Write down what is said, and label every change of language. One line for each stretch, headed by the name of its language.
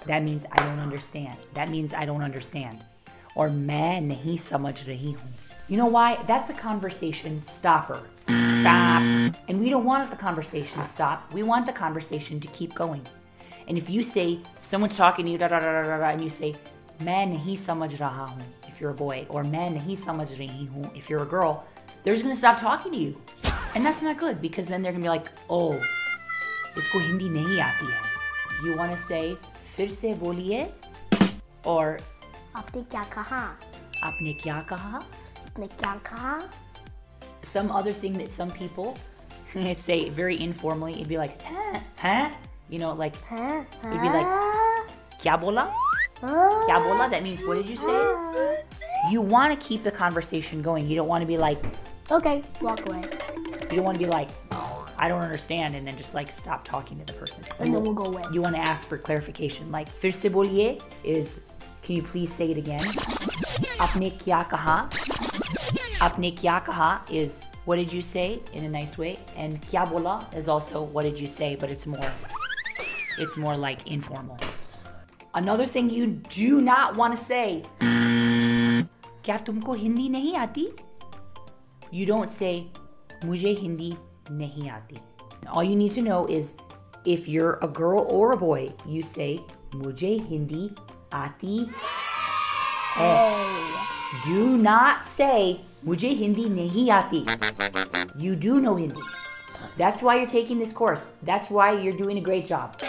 English: That means I don't understand. That means I don't understand.
Hindi: Or मैं नहीं समझ रही हूँ.
English: You know why? That's a conversation stopper. Stop. And we don't want the conversation to stop. We want the conversation to keep going. And if you say, someone's talking to you, da da da da da, and you say,
Hindi: मैं नहीं समझ रहा हूँ,
English: if you're a boy, or
Hindi: मैं नहीं समझ रही हूँ,
English: if you're a girl, they're just gonna stop talking to you. And that's not good, because then they're gonna be like, oh,
Hindi: इसको हिंदी नहीं आती है.
English: You wanna say,
Hindi: फिर से बोलिए?
English: Or,
Hindi: aapne kya kaha? आपने क्या कहा? Aapne kya kaha?
English: Some other thing that some people say very informally, it'd be like, huh? You know, like, it'd be like,
Hindi: kya bola? Kya bola?
English: That means, what did you say? You want to keep the conversation going. You don't want to be like, okay, walk away. You don't want to be like, I don't understand, and then just like stop talking to the person. And then we'll go away. You want to ask for clarification. Like,
Hindi: फिर से बोलिए
English: is, can you please say it again?
Hindi: अपने क्या कहा? Apne kya kaha
English: is, what did you say, in a nice way? And
Hindi: kya bola
English: is also, what did you say? But it's more like informal. Another thing you do not want to say.
Hindi: क्या तुमको हिंदी नहीं आती?
English: You don't say,
Hindi: मुझे हिंदी नहीं आती.
English: All you need to know is, if you're a girl or a boy, you say,
Hindi: mujhe hindi aati hai.
English: Do not say,
Hindi: mujhe hindi nahi aati.
English: You do know Hindi. That's why you're taking this course. That's why you're doing a great job.